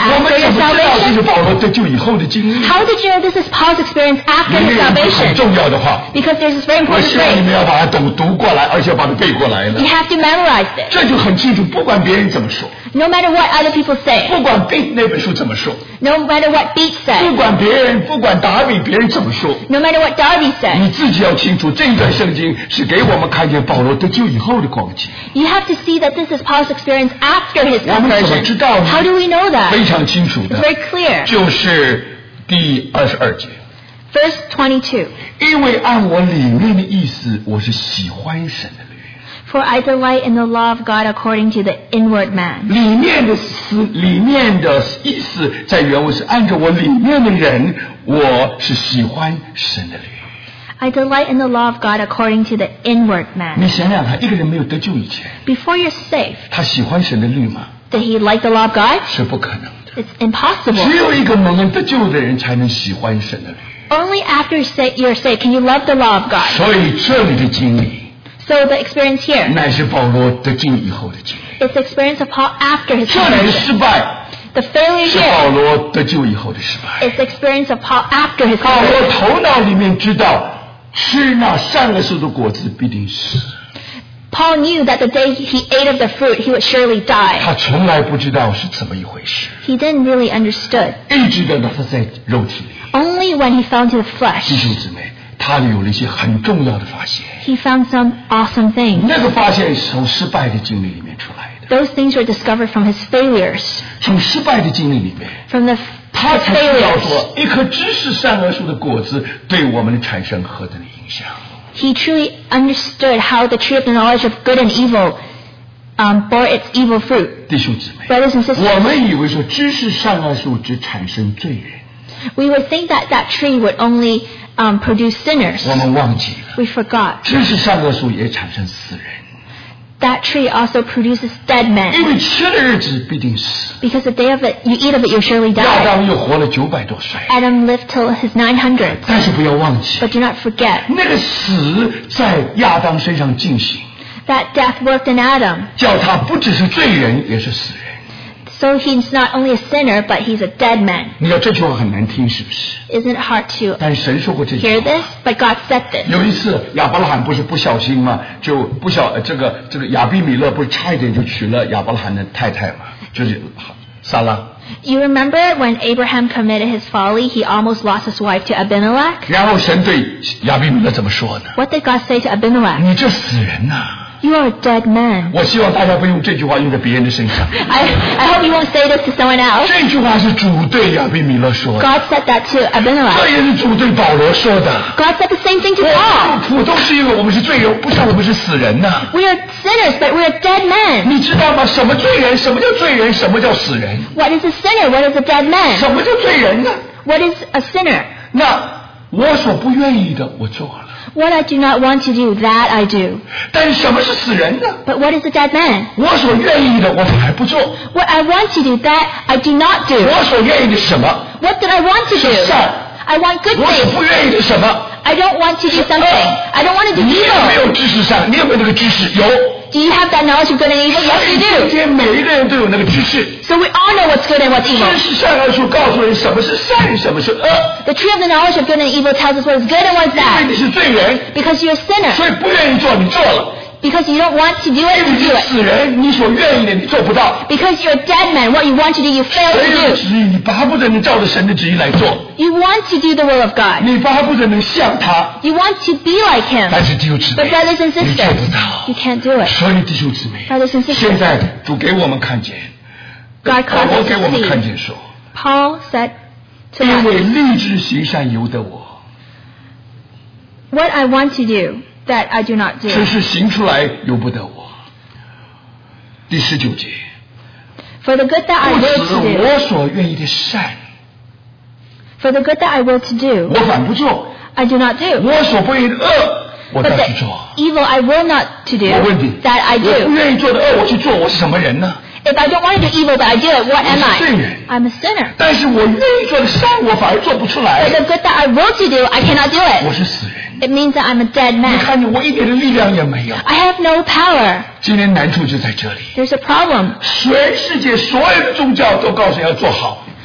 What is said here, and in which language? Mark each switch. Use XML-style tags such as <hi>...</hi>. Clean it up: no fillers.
<zh>我们怎么知道这是保罗得救以后的经历？</zh> <en>How did you know this is Paul's experience after his salvation?</en> <zh>很重要的话。</zh> <en>Because there's this very important thing.</en> <zh>我希望你们要把它读过来，而且要把它背过来了。</zh> <en>You have to memorize this.</en> <zh>这就很清楚，不管别人怎么说。</zh> <en>No matter what other people say.</en> <zh>不管Beat那本书怎么说。</zh> <en>No matter what Beat said.</en> <zh>不管达比别人怎么说。</zh> <en>No matter what Darby said.</en> <zh>你自己要清楚，这一段圣经是给我们看见保罗得救以后的光景。</zh> <en>You have to see that this is Paul's experience after his conversion.</en> <zh>我们怎么知道呢？</zh> <en>How do we know that?</en> <zh>非常清楚的。</zh> <en>It's very clear.</en> <zh>就是第二十二节。</zh> <en>Verse</en> <zh>22. 因为按我里面的意思，我是喜欢神的。</zh> <en>For I delight in the law of God according to the inward man.</en> <zh>里面的意思在原文是按照我里面的人，我是喜欢神的灵。</zh> <en>I delight in the law of God according to the inward man.</en> <zh>你想想看，一个人没有得救以前</zh> <en>，Before you're saved，</en> <zh>他喜欢神的律吗</zh> <en>？Did he like the law of God？</en> <zh>是不可能的。</zh> <en>It's impossible.</en> <zh>只有一个蒙恩得救的人才能喜欢神的律。</zh> <en>Only after you're saved can you love the law of God.</en> <zh>所以这里的经历。</zh> <en>So the experience here.</en> <zh>乃是保罗得救以后的经历。</zh> <en>It's the experience of Paul after his conversion.</en> <zh>这里的失败。</zh> <en>The failure here.</en> <zh>是保罗得救以后的失败。</zh> <en>It's the experience of Paul after his conversion.</en> <zh>保罗头脑里面知道，吃那善恶树的果子必定死。</zh> <en>Paul knew that the day he ate of the fruit, he would surely die.</en> <zh>他从来不知道是怎么一回事。</zh> <en>He didn't really understood.</en> <zh>一直等到他在肉体里。</zh> <en>Only when he fell into the flesh.</en> <zh>弟兄姊妹。他有了一些很重要的发现。</zh> <en>He found some awesome things.</en> <zh>那个发现是从失败的经历里面出来的。</zh> <en>Those things were discovered from his failures.</en> <zh>从失败的经历里面。</zh> <en>From the failures.</en> <zh>他才知道说，一棵知识善恶树的果子对我们产生何等的影响。</zh> <en>He truly understood how the tree of the knowledge of good and evil, bore its evil fruit.</en> <zh>弟兄姊妹。</zh> <en>Brothers and sisters.</en> <zh>我们以为说知识善恶树只产生罪人。</zh> <en>We would think that that tree would only produce sinners.</en> <zh>我们忘记了。</zh> <en>We forgot.</en> <zh>知识善恶树也产生死人。</zh> <en>That tree also produces dead men.</en> <zh>因为吃的日子必定死。</zh> <en>Because the day of it, you eat of it, you surely die.</en> <zh>亚当又活了九百多岁。</zh> <en>Adam lived till his 900.</en> <zh>但是不要忘记。</zh> <en>But do not forget.</en> <zh>那个死在亚当身上进行。</zh> <en>That death worked in Adam.</en> <zh>叫他不只是罪人，也是死人。</zh> <en>So he's not only a sinner, but he's a dead man.</en> <zh>你看这句话很难听，是不是？</zh> <en>Isn't it hard to</en> <zh>但神说过这句话</zh> <en>hear this? But God said this.</en> <zh>有一次亚伯拉罕不是不小心吗？就不小这个亚比米勒不是差一点就娶了亚伯拉罕的太太吗？就是撒拉。</zh> <en>You remember when Abraham committed his folly, he almost lost his wife to Abimelech?</en> <zh>然后神对亚比米勒怎么说呢？</zh> <en>What did God say to Abimelech?</en> <zh>你这死人呐！</zh> <en>You are a dead man.</en> <zh>我希望大家不用这句话用在别人的身上。</zh> <en>I hope you won't say this to someone else.</en> <zh>这句话是主对亚比米勒说的。</zh> <en>God said that to Abimelech.</en> <zh>这也是主对保罗说的。</zh> <en>God said the same thing to Paul.</en> <zh>普通是因为我们是罪人，不像我们是死人呐。</zh> <en>We are sinners, but we are dead men.</en> <zh>你知道吗？什么罪人？什么叫罪人？什么叫死人</zh> <en>？What is a sinner? What is a dead man?</en> <zh>什么叫罪人呢</zh> <en>？What is a sinner?</en> <zh>那我所不愿意的，我做了。</zh> <en>What I do not want to do, that I do.</en> <zh>但什么是死人呢？</zh> <en>But what is a dead man?</en> <zh>我所愿意的，我还不做。</zh> <en>What I want to do, that I do not do.</en> <zh>我所愿意的什么？</zh> <en>What did I want to do?</en> <zh>是善。</zh> <en>I want good things.</en> <zh>我所不愿意的什么？</zh> <en>I don't want to do something. I don't want to do evil.</en> <zh>你有没有知识善？你有没有那个知识？有。</zh> <en>Do you have that knowledge of good and evil? Yes, you do.</en> <zh>今天每一个人都有那个知识。</zh> <en>So we all know what's good and what's evil.</en> <zh>知识善恶树告诉人什么是善，什么是恶。</zh> <en>The tree of the knowledge of good and evil tells us what's good and what's bad.</en> <zh>因为你是罪人。</zh> <en>Because you're a sinner.</en> <zh>所以不愿意做，你做了。</zh> <en>Because you don't want to do it, you do it.</en> <zh>你所愿意的你做不到。</zh> <en>Because you're a dead man, what you want to do, you fail to do.</en> <zh>谁有旨意你巴不得能照着神的旨意来做。</zh> <en>You want to do the will of God.</en> <zh>你巴不得能像他。</zh> <en>You want to be like him.</en> <zh>但是弟兄姊妹,</zh> <en>but brothers and sisters,</en> <zh>你做不到。</zh> <en>You can't do it.</en> <zh>所以弟兄姊妹,</zh> <en>brothers and sisters,</en> <zh>现在主给我们看见,</zh> <en>God causes us to see.</en> <zh>看见说,</zh> <en>Paul said to us,</en> <zh>因为立志行善由得我。</zh> <en>What I want to do, that I do not do.</en> <zh>只是行出来由不得我。第十九节,</zh> <en>For the good that I will to do,</en> <zh>我所愿意的善,</zh> <en>For the good that I will to do,</en> <zh>我反不做,</zh> <en>I do not do.</en> <zh>我所不愿意的恶,</zh> <en>But the evil I will not to do,</en> <zh>我问你,</zh> <en>that I do.</en> <zh>我愿意做的恶我去做, 我是什么人呢?</zh> <en>If I don't want to do evil, but I do it, what am I? I'm a sinner.</en> <zh>但是我愿意做的善, 我反而做不出来,</zh> <en>But the good that I will to do, I cannot do it. It means that I'm a dead man.</en> <zh>你看你我一点的力量也没有。</zh> <en>I have no power.</en> <zh>今天难处就在这里。</zh> <en>There's a problem.</en> <zh>全世界所有的宗教都告诉要做好。</zh>